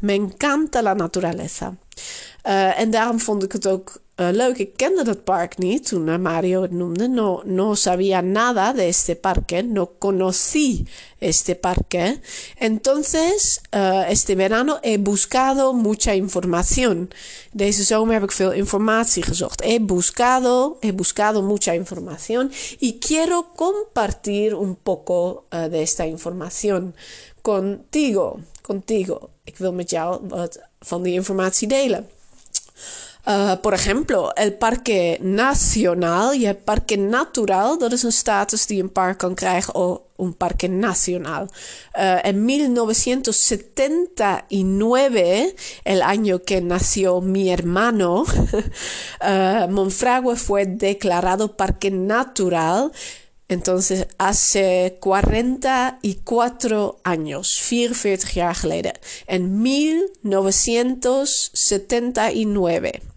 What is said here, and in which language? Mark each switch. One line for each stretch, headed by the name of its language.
Spanish: Me encanta la naturaleza.
Dutch: En daarom vond ik het ook leuk. Ik kende dat park niet toen Mario het noemde.
Spanish: No, no sabía nada de este parque. No conocí este parque. Entonces, este verano he buscado mucha información.
Dutch: Deze zomer heb ik veel informatie gezocht.
Spanish: He buscado mucha información. Y quiero compartir un poco de esta información contigo. Contigo.
Dutch: Ik wil met jou wat van die informatie delen.
Spanish: Por ejemplo, el Parque Nacional.
Dutch: Je hebt Parque Natural, dat is een status die een park kan krijgen, of un Parque Nacional.
Spanish: En 1979, el año que nació mi hermano, Monfragüe fue declarado Parque Natural. Entonces, hace 44 años,
Dutch: 44 jaar geleden,
Spanish: en 1979.